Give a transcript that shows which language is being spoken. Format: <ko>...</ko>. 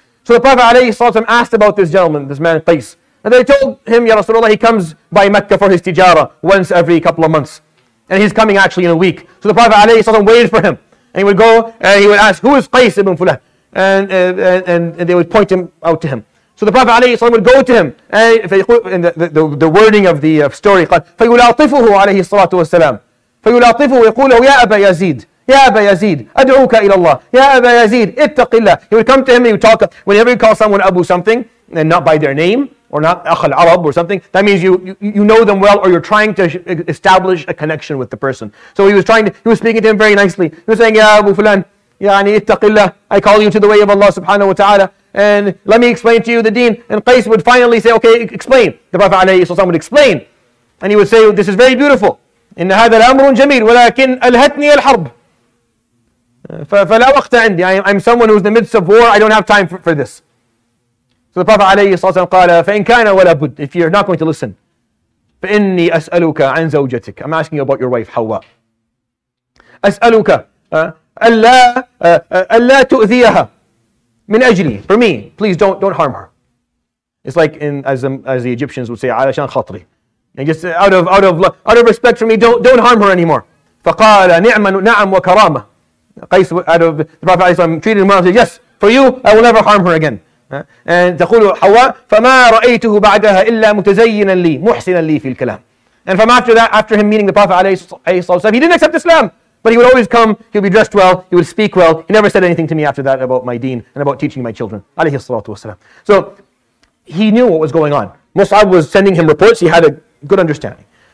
<en>So the Prophet alayhi salam asked about this gentleman, this man Qais. And they told him, Ya Rasulullah, he comes by Mecca for his tijara once every couple of months. And he's coming actually in a week. So the Prophet alayhi salam waited for him. And he would go and he would ask, who is Qais ibn Fulah? And they would point him out to him. So the Prophet alayhi salam would go to him. And the wording of the story,</en> <ar>فَيُلَاطِفُهُ عَلَيْهِ الصَّلَاةُ وَالسَّلَامُ فَيُلَاطِفُهُ وَيَقُولَهُ يَا أَبَا يَزِيدُ يا أبا يزيد أدعوك إلى الله يا أبا يزيد اتق الله.</ar> <en>He would come to him and he would talk. Whenever you call someone Abu something and not by their name or not Akh al-Arab or something, that means you know them well, or you're trying to establish a connection with the person. So he was speaking to him very nicely. He was saying, Ya Abu Fulan,</en> <ar>اتق الله,</ar> <en>I call you to the way of Allah subhanahu wa ta'ala, and let me explain to you the deen. And Qais would finally say, okay, explain. The Prophet alayhi salam would explain, and he would say, this is very beautiful.</en> <ar>إن هذا الأمر جميل ولكن ألهتني الحرب. فَلَا وَقْتَ عِنْدِي,</ar> <en>I'm someone who's in the midst of war, I don't have time for this. So the Prophet alayhi salam قال,</en> <ar>فَإِنْ كَانَ وَلَا بُدْ,</ar> <en>if you're not going to listen,</en> <ar>فَإِنِّي أَسْأَلُكَ عَنْ زَوْجَتِكَ,</ar> <en>I'm asking you about your wife, Hawa.</en> <ar>أَسْأَلُكَ أَلَّا تُؤْذِيَهَا مِنْ أَجْلِي,</ar> <en>for me, please don't harm her. It's like as the Egyptians would say,</en> <ar>عَلَشَانْ خَطْرِي,</ar> <en>and just out of respect for me, don't harm her anymore.</en> <ar>فَقَالَ نِعْمًا نَعَمْ وَكَرَامَةً.</ar> <en>Qais, out of the Prophet alayhi salam, treated him well and said, yes, for you, I will never harm her again.</en> <ar>And تقول حواء فما رأيته بعدها إلا متزينا لي محسنا لي في الكلام.</ar> <en>And from after that, after him meeting the Prophet alayhi salam, he didn't accept Islam, but he would always come, he would be dressed well, he would speak well. He never said anything to me after that about my deen and about teaching my children, alayhi salatu wasalam. So he knew what was going on. Mus'ab was sending him reports, he had a good understanding.</en>